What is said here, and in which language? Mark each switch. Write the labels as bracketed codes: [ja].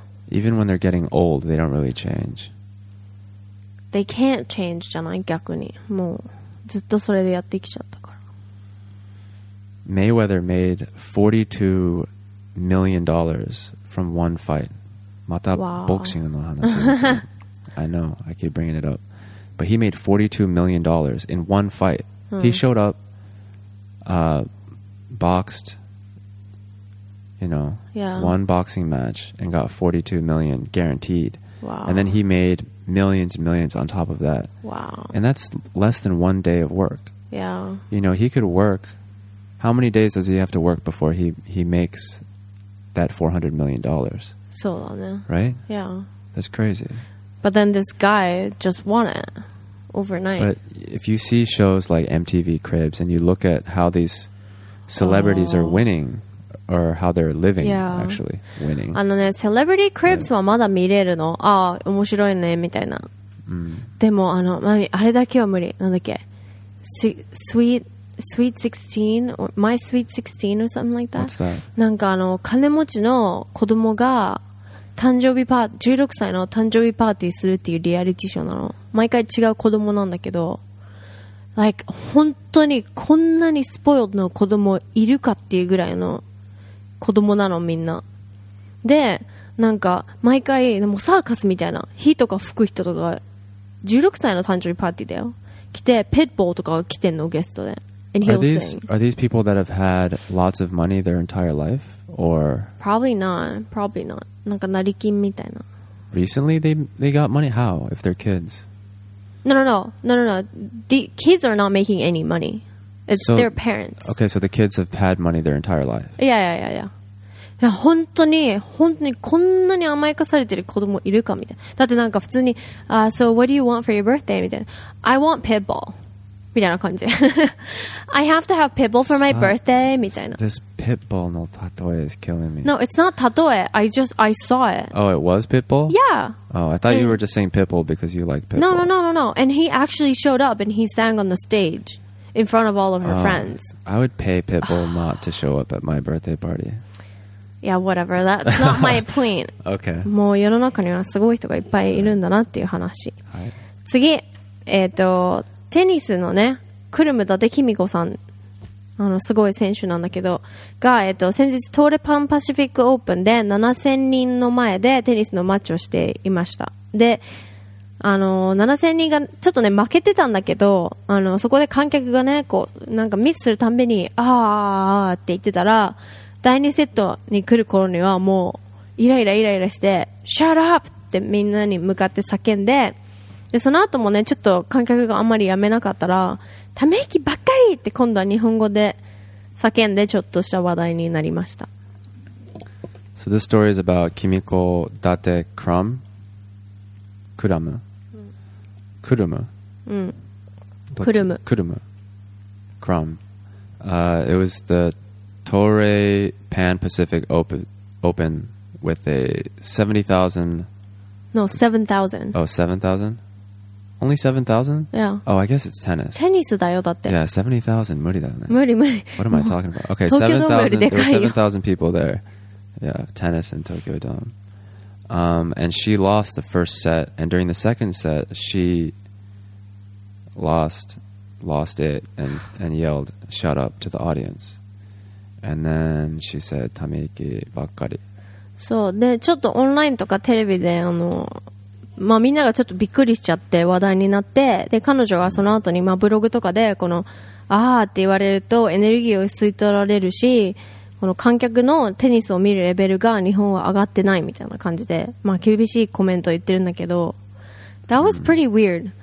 [en] Even when they're getting old, they don't really change. They can't change, [ja] じゃない?逆に。もうずっとそれでやってきちゃったから。 [en] Mayweather made $42 million from one fight. [ja] またボクシングの話だ。 [en] I know, I keep bringing it up. But he made $42 million in one fight. He showed up, boxed, you know, one boxing match and got $42 million guaranteed. Wow. And then he made millions and millions on top of that. Wow. And that's less than one day of work. Yeah. You know, he could work. How many days does he have to work before he makes that $400 million? [ja] そうだね。 [en] Right? Yeah. That's crazy. But then this guy just won it overnight. But if you see shows like MTV Cribs and you look at how these celebrities are winning or how they're living, actually winning. [ja] あのね、Celebrity Cribs はまだ見れるの。ああ、面白いねみたいな。でもあの、マミ、あれだけは無理。なんだっけ、 [en] Sweet 16 or My Sweet 16 or something like that. What's that? [ja] なんかあの金持ちの子供が誕生日パー16歳の誕生日パーティーするっていうリアリティショーなの。毎回違う子供なんだけど、like 本当にこんなにスポイルの子供いるかっていうぐらいの子供なのみんな。でなんか毎回でもサーカスみたいな火とか吹く人とか16歳の誕生日パーティーだよ。来てペットボーとか来てんのゲストで。 [en] and he'll sing. Are these people that have had lots of money their entire life, or probably not? Probably not. [ja] なんか成金みたいな. [en] Recently, they got money. How? If they're kids? No. The kids are not making any money. It's so, their parents. Okay, so the kids have had money their entire life. Yeah. [ja] 本当にこんなに甘やかされてる子供いるかみたいな。だってなんか普通に [en] So what do you want for your birthday? [ja] みたいな。 [en] I want pitbull. [ja] みたいな感じ。 [en] I have to have pitbull for my birthday. [ja] みたいな。 [en] This pitbull の tatoe is killing me. No, it's not tatoe. I saw it. Oh, it was pitbull? Yeah. Oh, I thought you were just saying pitbull because you like pitbull. No. And he actually showed up and he sang on the stage in front of all of her friends. I would pay pitbull not to show up at my birthday party. Yeah, whatever. That's not my point. Okay. [ja] もう世の中にはすごい人がいっぱいいるんだなっていう話。はい。次、テニスのね、クルム伊達公子さん、あのすごい選手なんだけど、が先日トーレパンパシフィックオープンで7000人の前でテニスのマッチをしていました。で、あの7000人がちょっとね負けてたんだけど、あのそこで観客がね、こうなんかミスするたんびにあーあーって言ってたら。第2セットに来る頃にはもうイライライライラしてシャットアップってみんなに向かって叫ん でその後もねちょっと観客があんまりやめなかったらため息ばっかりって今度は日本語で叫んでちょっとした話題になりました。 [en] So this story is about Kimiko Date Krum Kuram Kurum Kurum Kurum Krum It was theTorre Pan Pacific Open with a 70,000... No, 7,000. Oh, 7,000? Only 7,000? Yeah. Oh, I guess it's tennis. [ja] Tennis だよ、だって。 [en] Yeah, 70,000. [ja] 無理だよね。無理、無理。 [en] What am I talking about? Okay, 7,000. There were 7,000 people there. Yeah, tennis in Tokyo Dome. And she lost the first set. And during the second set, she lost it and yelled, shut up to the audience. And then she said, [ja] ため息ばっかり。そう。で、ちょっとオンラインとかテレビで、まあ、みんながちょっとびっくりしちゃって話題になって、で、彼女はその後に、まあ、ブログとかで、この、あーって言われるとエネルギーを吸い取られるし、この観客のテニスを見るレベルが日本は上がってないみたいな感じで、まあ、厳しいコメントを言ってるんだけど、 [en] That was pretty weird.